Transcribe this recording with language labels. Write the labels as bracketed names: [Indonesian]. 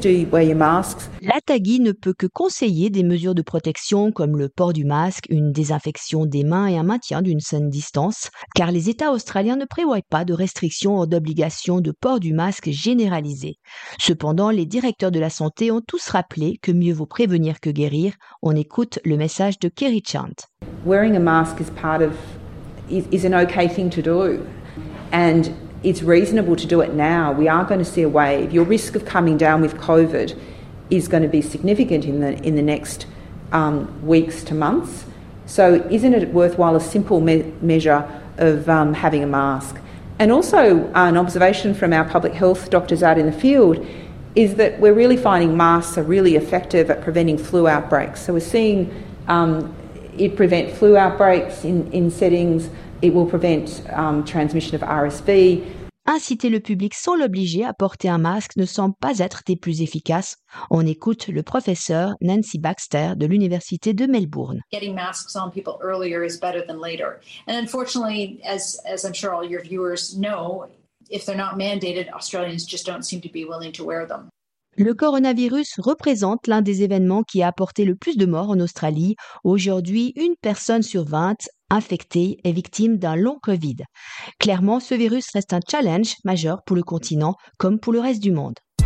[French] L'Atagui ne peut que conseiller des mesures de protection comme le port du masque, une désinfection des mains et un maintien d'une saine distance, car les États australiens ne prévoient pas de restrictions ou d'obligations de port du masque généralisées. Cependant, les directeurs de la santé ont tous rappelé que mieux vaut prévenir que guérir. On écoute le message de Kerry Chant. [English] Wearing a mask is part of is an okay thing to do, and it's reasonable to do it now. We are going to see a wave. Your risk of coming down with COVID is going to be significant in the next weeks to months. So isn't it worthwhile a simple measure of having a mask? And also an observation from our public health doctors out in the field is that we're really finding masks are really effective at preventing flu outbreaks. So we're seeing it prevent flu outbreaks in settings. It will prevent transmission of RSV. [French] Inciter le public sans l'obliger à porter un masque ne semble pas être des plus efficaces. On écoute le professeur Nancy Baxter de l'Université de Melbourne. [English] Getting masks on people earlier is better than later. And unfortunately, as I'm sure all your viewers know, if they're not mandated, Australians just don't seem to be willing to wear them. [French] Le coronavirus représente l'un des événements qui a apporté le plus de morts en Australie. Aujourd'hui, une personne sur 20 infectée est victime d'un long Covid. Clairement, ce virus reste un challenge majeur pour le continent comme pour le reste du monde.